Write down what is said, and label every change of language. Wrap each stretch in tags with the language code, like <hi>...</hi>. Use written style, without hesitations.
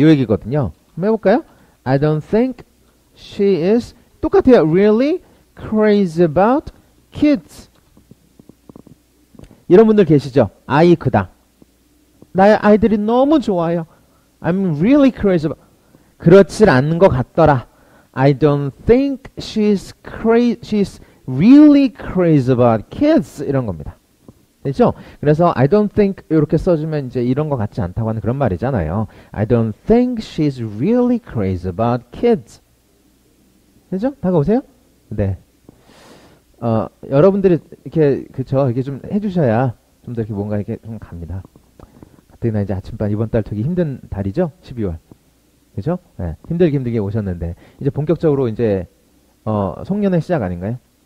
<ko>요 얘기거든요. 한번 해볼까요?</ko> <en>I don't think she is,</en> <ko>똑같아요.</ko> <en>Really crazy about kids.</en> <ko>이런 분들 계시죠? 아이 크다. 나의 아이들이 너무 좋아요.</ko> <en>I'm really crazy about,</en> <ko>그렇질 않는 것 같더라.</ko> <en>I don't think she's crazy, she's really crazy about kids.</en> <ko>이런 겁니다. 됐죠? 그래서</ko> <en>I don't think</en> <ko>이렇게 써주면 이제 이런 것 같지 않다고 하는 그런 말이잖아요.</ko> <en>I don't think she's really crazy about kids.</en> <ko>됐죠? 다가오세요? 네. 여러분들이 이렇게, 그쵸? 이렇게 좀 해주셔야 좀 더 이렇게 뭔가 이렇게 좀 갑니다. 가뜩이나 이제 아침반 이번 달 되게 힘든 달이죠? 12월. 그죠? 예. 네, 힘들게 힘들게 오셨는데. 이제 본격적으로 이제, 송년회 시작 아닌가요?</ko>